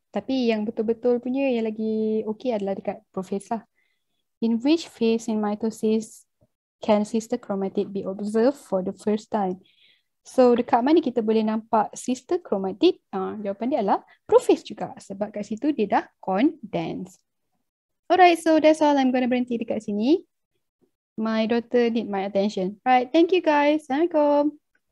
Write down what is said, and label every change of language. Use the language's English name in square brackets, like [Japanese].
[Malay] Tapi yang betul-betul punya yang lagi okay adalah dekat prophase lah. [English] In which phase in mitosis can sister chromatid be observed for the first time? [Malay] So dekat mana kita boleh nampak sister chromatid? Jawapan dia adalah prophase juga, sebab kat situ dia dah condense. [English] Alright, so that's all. I'm going to [Malay] berhenti dekat sini. [English] My daughter need my attention. Right, thank you guys. Assalamualaikum.